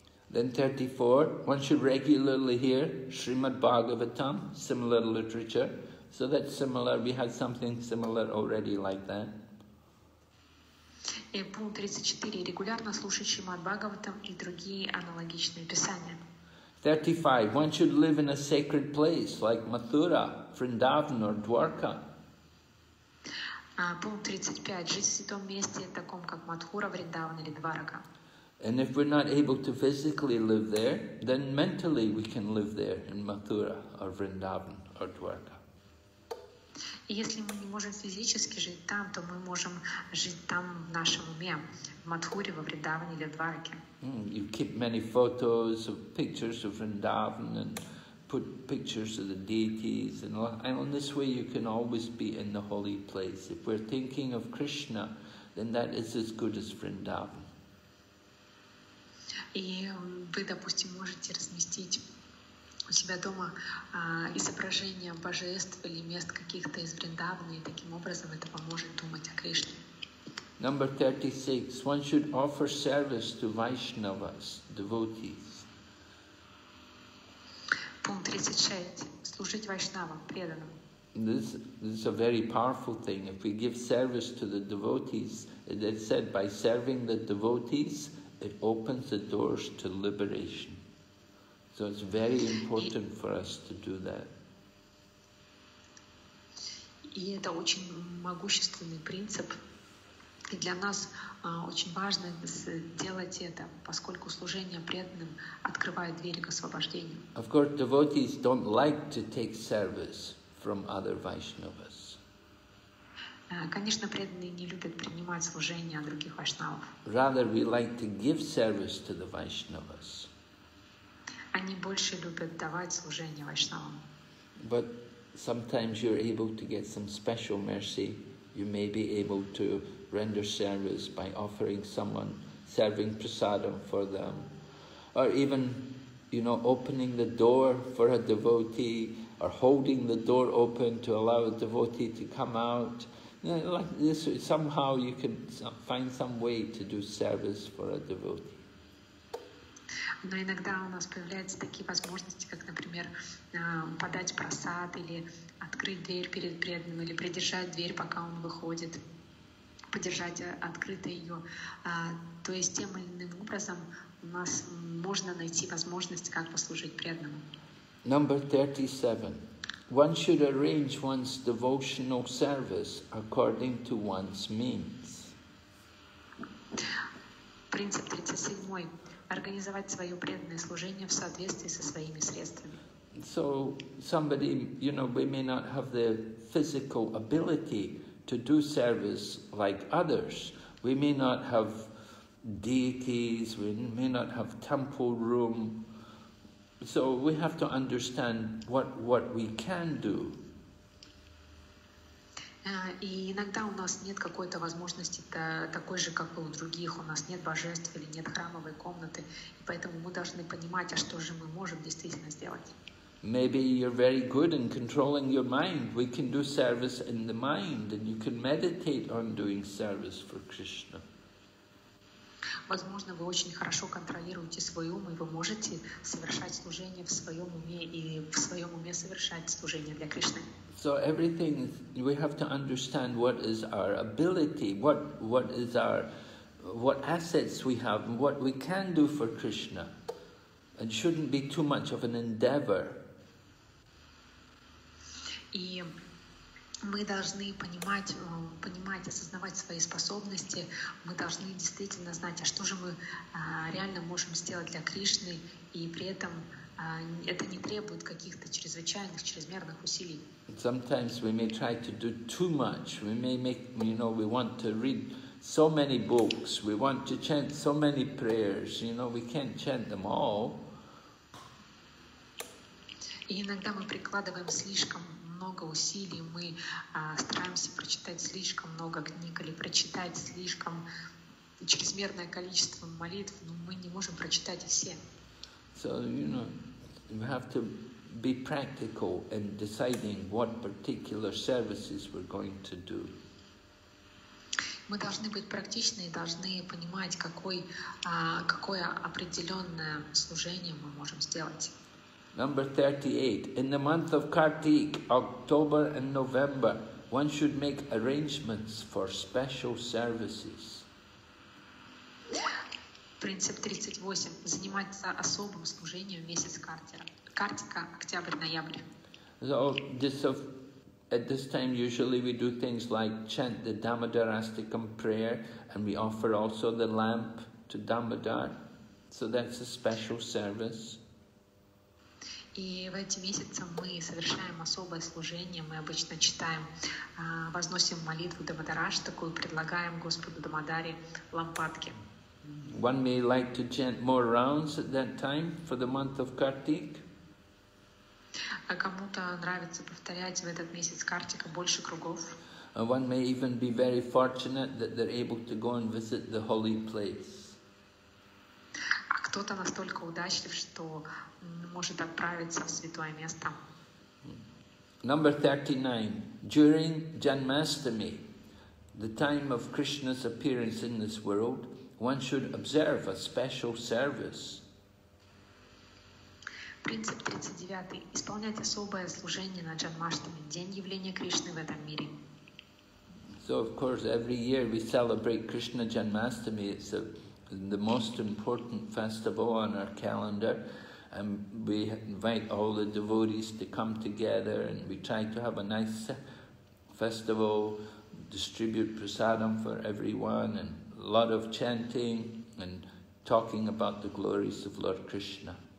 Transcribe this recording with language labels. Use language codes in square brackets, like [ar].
[en] Then 34, one should regularly hear Srimad Bhagavatam, similar literature. So that's similar, we had something similar already like that. [ru] И пункт 34. Регулярно слушать Шримад Бхагаватам и другие аналогичные писания. [en] 35. One should live in a sacred place, like Mathura, Vrindavan or Dwarka. [ru] Пункт 35. Жить в святом месте, таком как Мадхура, Вриндаван или Дварака. [en] And if we're not able to physically live there, then mentally we can live there in Mathura or Vrindavan or Dwarka. [ru] Если мы не можем физически жить там, то мы можем жить там в нашем уме, в Мадхуре, во Вриндаване или Дварке. [en] You keep many photos of pictures of Vrindavan and put pictures of the deities, and in this way you can always be in the holy place. If we're thinking of Krishna, then that is as good as Vrindavan. [ru] И вы, допустим, можете разместить у себя дома изображение божеств или мест каких-то из Вриндавана, и таким образом это поможет думать о Кришне. [en] Number 36, one should offer service to Vaishnavas, devotees. [ru] Пункт 36, служить Вайшнавам, преданным. [en] This is a very powerful thing. If we give service to the devotees, it is said by serving the devotees, it opens the doors to liberation. So it's very important for us to do that. [ru] И это очень могущественный принцип. И для нас очень важно сделать это, поскольку служение преданным открывает двери к освобождению. [en] Of course, devotees don't like to take service from other Vaishnavas. [ru] Конечно, преданные не любят принимать служение от других вайшнавов. [en] Rather, we like to give service to the Vaishnavas. [ru] Они больше любят давать служение вайшнавам. [en] But sometimes you're able to get some special mercy. You may be able to render service by offering someone, serving prasadam for them, or even, you know, opening the door for a devotee, or holding the door open to allow a devotee to come out. You know, like this, somehow you can find some way to do service for a devotee. [ru] Но иногда у нас появляются такие возможности, как, например, подать прасад или открыть дверь перед преданным или придержать дверь, пока он выходит, подержать открытой ее. То есть тем или иным образом у нас можно найти возможность, как послужить преданному. [en] Number 37. One should arrange one's devotional service according to one's means. [ru] Принцип 37. Организовать свое преданное служение в соответствии со своими средствами. [en] So somebody, you know, we may not have the physical ability to do service like others. We may not have deities, we may not have temple room. So we have to understand what we can do. [ru] И иногда у нас нет какой-то возможности такой же, как и у других. У нас нет божества или нет храмовой комнаты. И поэтому мы должны понимать, а что же мы можем действительно сделать. [en] Maybe you're very good in controlling your mind. We can do service in the mind, and you can meditate on doing service for Krishna. [ru] Возможно, вы очень хорошо контролируете свой ум, и вы можете совершать служение в своем уме, и в своем уме совершать служение для Кришны. [en] So everything, we have to understand what is our ability, what assets we have, and what we can do for Krishna. It shouldn't be too much of an endeavor. [ru] И мы должны понимать, осознавать свои способности. Мы должны действительно знать, а что же мы реально можем сделать для Кришны, и при этом это не требует каких-то чрезмерных усилий. [en] Sometimes we may try to do too much. We may make, you know, we want to read so many books. We want to chant so many prayers. You know, we can't chant them all. [ru] И иногда мы прикладываем слишком много усилий. Мы стараемся прочитать слишком много книг или прочитать слишком чрезмерное количество молитв, но мы не можем прочитать их все. [en] So, you know, we have to be practical in deciding what particular services we're going to do. [ru] Мы должны быть практичны и должны понимать, какое определенное служение мы можем сделать. [en] Number 38. In the month of Kartik, October and November, one should make arrangements for special services. [ru] Принцип 38. Заниматься особым служением в месяц Картика, октябрь-ноябрь. [en] So, at this time, usually we do things like chant the Damodarasticam prayer, and we offer also the lamp to Damodar. So that's a special service. [ru] И в эти месяцы мы совершаем особое служение. Мы обычно читаем, возносим молитву Дамодараштаку и предлагаем Господу Дамодаре лампадки. [en] One may like to chant more rounds at that time for the month of Kartik. [ru] А кому-то нравится повторять в этот месяц Картика больше кругов. [en] One may even be very fortunate that they're able to go and visit the holy place. [ru] Кто-то настолько удачлив, что может отправиться в святое место. [en] Number 39. During Janmashtami, the time of Krishna's appearance in this world, one should observe a special service. [ru] Принцип 39. Исполнять особое служение на Джанмаштами, день явления Кришны в этом мире. [en] So of course every year we celebrate Krishna Janmashtami. It's the most important festival on our calendar, and we invite all the devotees to come together, and we try to have a nice festival, distribute prasadam for everyone, and a lot of chanting and talking about the glories of Lord Krishna.